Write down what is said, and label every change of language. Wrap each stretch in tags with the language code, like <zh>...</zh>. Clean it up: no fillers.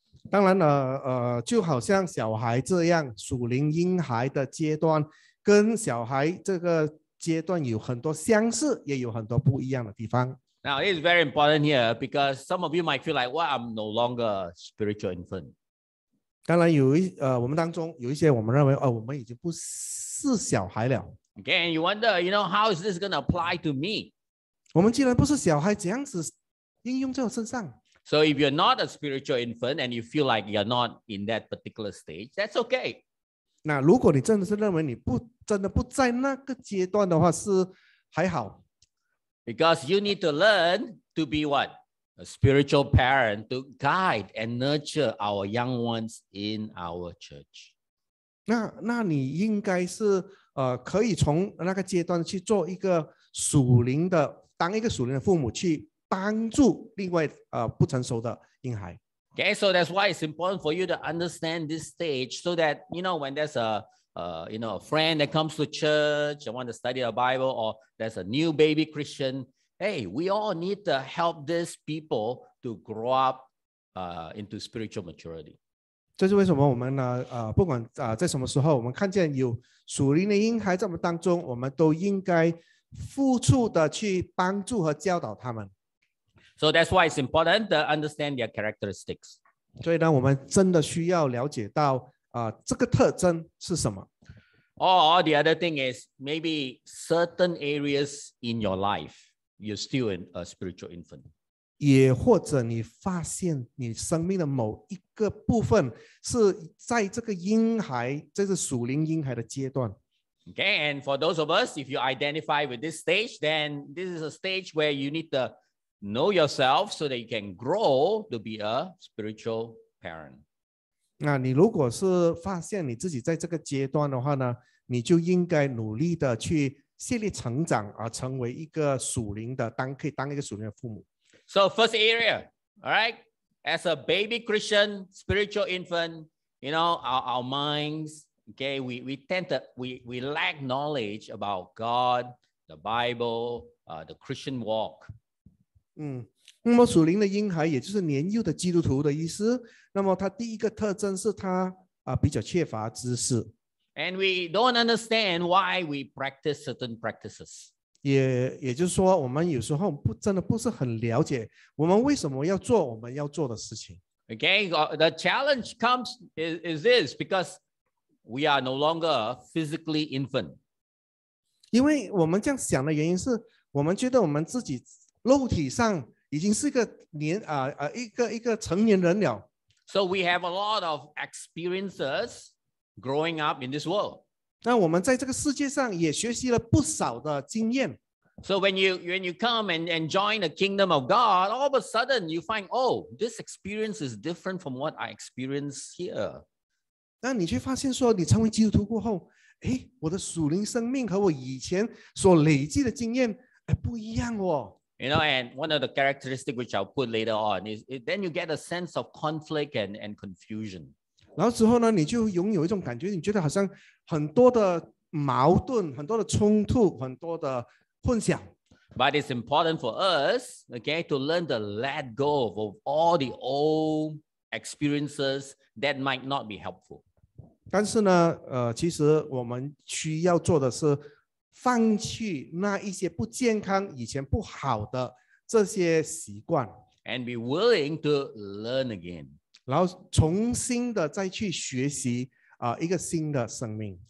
<zh>当然就好像小孩这样属灵婴孩的阶段跟小孩这个阶段有很多相似也有很多不一样的地方。</zh> <en>Now, it is very important here because some of you might feel like, well, I'm no longer a spiritual infant.</en> <zh>当然我们当中有一些我们认为我们已经不是小孩了。</zh> <en>Okay, and you wonder, you know, how is this going to apply to me?</en> <zh>我们既然不是小孩怎样子应用在我身上。</zh> <en>So if you're not a spiritual infant and you feel like you're not in that particular stage, that's okay.</en> <zh>那如果你真的是认为你不真的不在那个阶段的话，是还好。</zh> <en>Because you need to learn to be what? A spiritual parent to guide and nurture our young ones in our church.</en> <zh>那你应该是可以从那个阶段去做一个属灵的，当一个属灵的父母去。帮助另外不成熟的婴孩。</zh> <en>Okay, so that's why it's important for you to understand this stage, so that you know when there's a friend that comes to church and want to study the Bible, or there's a new baby Christian. Hey, we all need to help these people to grow up into spiritual maturity.</en> <zh>这是为什么我们呢？不管在什么时候，我们看见有属灵的婴孩在我们当中，我们都应该付出的去帮助和教导他们。</zh> <en>So that's why it's important to understand their characteristics.</en> <zh>所以呢，我们真的需要了解到这个特征是什么。</zh> <en>Or the other thing is maybe certain areas in your life you're still in a spiritual infant.</en> <zh>也或者你发现你生命的某一个部分是在这个婴孩，这是属灵婴孩的阶段。</zh> <en>Okay, and for those of us, if you identify with this stage, then this is a stage where you need toKnow yourself so that you can grow to be a spiritual parent.</en> <zh>那你如果是发现你自己在这个阶段的话呢，你就应该努力的去建立成长，而成为一个属灵的，可以当一个属灵的父母。</zh> <en>So first area, all right? As a baby Christian, spiritual infant, you know, our minds, okay, we lack knowledge about God, the Bible, the Christian walk.</en> <zh>那么属灵的婴孩也就是年幼的基督徒的意思，那么他第一个特征是他比较缺乏知识。</zh> <en>And we don't understand why we practice certain practices.</en> <zh>也就是说我们有时候真的不是很了解我们为什么要做我们要做的事情。</zh> <en>Okay, the challenge comes is this, because we are no longer physically infant.</en> <zh>因为我们这样想的原因是我们觉得我们自己肉体上已经是一个年啊啊一个一个成年人了。</zh> <en>So we have a lot of experiences growing up in this world.</en> <zh>那我们在这个世界上也学习了不少的经验。</zh> <en>So when you come and join the kingdom of God, all of a sudden you find, oh, this experience is different from what I experienced here.</en> <zh>那你却发现说，你成为基督徒过后，哎，我的属灵生命和我以前所累积的经验，哎，不一样哦。</zh> <en>You know, and one of the characteristics which I'll put later on is then you get a sense of conflict and confusion.</en> <zh>然后之后呢，你就拥有一种感觉，你觉得好像很多的矛盾，很多的冲突，很多的混淆。</zh> <en>But it's important for us, okay, to learn to let go of all the old experiences that might not be helpful.</en> <zh>但是呢，其实我们需要做的是放弃那一些不健康、以前不好的这些习惯</zh> <en>，and be willing to learn again，</en> <zh>然后重新的再去学习啊、一个新的生命</zh>